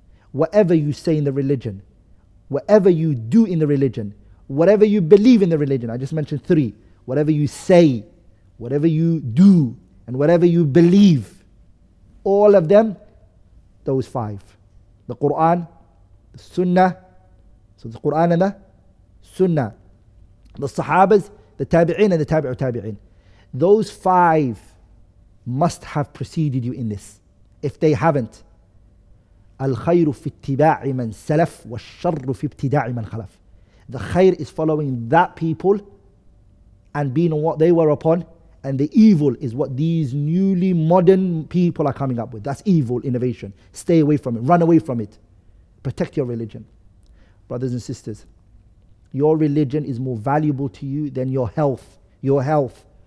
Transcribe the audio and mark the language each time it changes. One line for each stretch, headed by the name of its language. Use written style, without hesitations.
English: Whatever you say in the religion, whatever you do in the religion, whatever you believe in the religion, I just mentioned three, whatever you say, whatever you do, and whatever you believe, all of them, those five. The Quran, the Sunnah, so the Quran and the Sunnah, the Sahabas, the Tabi'in and the Tabi'u Tabi'in. Those five must have preceded you in this.
Arabic: If they haven't, الخير في اتباع من سلف والشر في ابتداع من خلف.
English: The khair is following that people and being on what they were upon, and the evil is what these newly modern people are coming up with. That's evil innovation. Stay away from it. Run away from it. Protect your religion. Brothers and sisters, your religion is more valuable to you than your health. Your health.